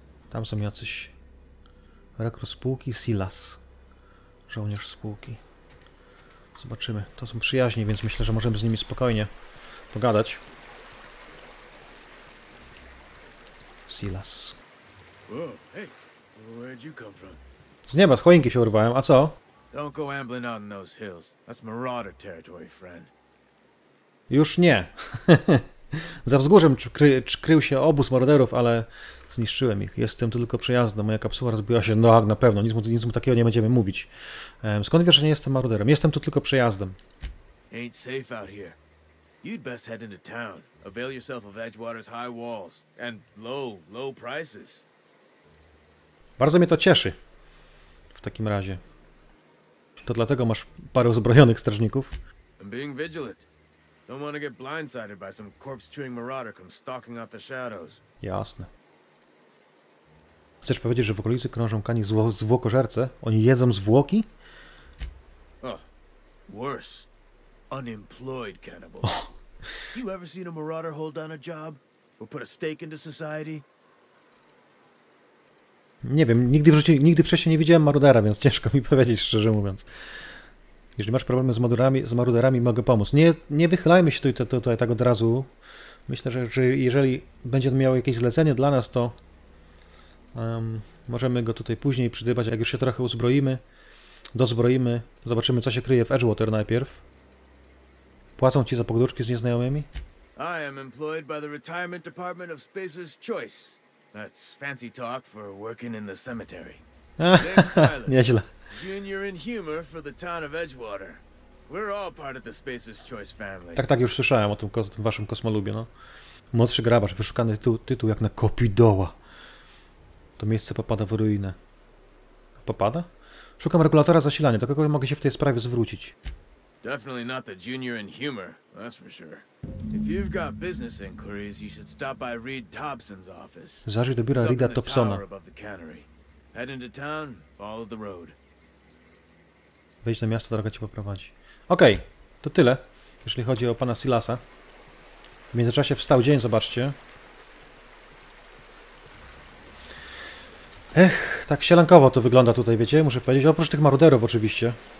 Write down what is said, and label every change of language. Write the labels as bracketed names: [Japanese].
[Polish] Tam są jacyś rekrut spółki Silas. Żołnierz spółki. Zobaczymy. To są przyjaźni, więc myślę, że możemy z nimi spokojnie pogadać. Silas. [English] Whoa, hey. You come from? [Polish] Z nieba, z choinki się urwałem. A co? [English] Don't go ambling out in those hills. That's Marauder territory, friend. [Polish] Już nie. Za wzgórzem krył się obóz marauderów, ale zniszczyłem ich. Jestem tylko przejazdem. Moja kapsuła rozbiła się. No, na pewno. Nic mu takiego nie będziemy mówić. Skąd wiesz, że nie jestem marauderem? Jestem tu tylko przejazdem. [English] Ain't safe out here. You'd best head into town. Avail yourself of Edgewater's high walls and low prices. [Polish] Bardzo mnie to cieszy. W takim razie. To dlatego masz parę uzbrojonych strażników. [English] I'm being vigilant. Don't want to get blindsided by some corpse-chewing marauder come stalking out the shadows. [Polish] Jasne. Chcesz powiedzieć, że w okolicy krążą kani zwłokożercy? Oni jedzą zwłoki? [English] Oh, worse. Unemployed cannibals. Oh. You ever seen a marauder hold down a job? Or put a stake into society? [Polish] Nie wiem, nigdy wcześniej nie widziałem marudera, więc ciężko mi powiedzieć, szczerze mówiąc. Jeżeli masz problemy z maruderami, mogę pomóc. Nie wychylajmy się tutaj tak od razu. Myślę, że jeżeli będzie miał jakieś zlecenie dla nas, to możemy go tutaj później przydybać. Jak już się trochę uzbroimy, dozbroimy, zobaczymy, co się kryje w Edgewater najpierw. Płacą ci za pogaduszki z nieznajomymi? [English] I am employed by the retirement department of Spacer's Choice. That's fancy talk for working in the cemetery. [Polish] Nieźle. [English] Junior in humor for the town of Edgewater. We're all part of the Spacer's Choice family. [Polish] Tak, już słyszałem o tym waszym kosmolubie, no. Młodszy grabarz, wyszukany tytuł jak na kopidoła. To miejsce popada w ruinę. Popada? Szukam regulatora zasilania, do kogo mogę się w tej sprawie zwrócić? [English] Definitely not the junior in humor, that's for sure. If you've got business inquiries, you should stop by Reed Thompson's office. [Polish] Zajrzyj do biura Reeda Thompsona. [English] Head into town, follow the road. [Polish] Wejdź na miasto, droga cię poprowadzi. Okej, okay, to tyle, jeżeli chodzi o pana Silasa. W międzyczasie wstał dzień, zobaczcie. Ech, tak sielankowo to wygląda tutaj, wiecie, muszę powiedzieć. Oprócz tych maruderów oczywiście.